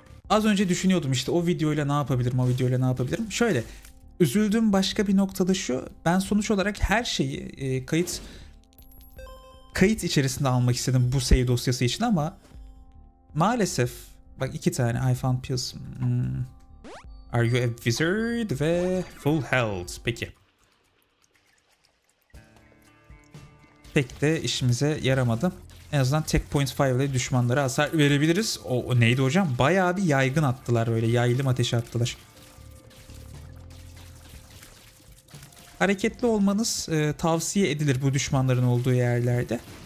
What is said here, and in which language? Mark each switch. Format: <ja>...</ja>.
<tr>Az önce düşünüyordum işte o videoyla ne yapabilirim, o videoyla ne yapabilirim. Şöyle üzüldüğüm başka bir noktada şu. Ben sonuç olarak her şeyi kayıt içerisinde almak istedim bu save dosyası için ama maalesef bak iki tane</tr> <en>I found pills. Are you a wizard</en> <tr>ve</tr> <en>full health.</en> <tr>Peki. Pek de işimize yaramadı. En azından tek 0.5 ile düşmanlara hasar verebiliriz. O neydi hocam? Bayağı bir yaygın attılar böyle. Yaylım ateşi attılar. Hareketli olmanız tavsiye edilir bu düşmanların olduğu yerlerde.</tr>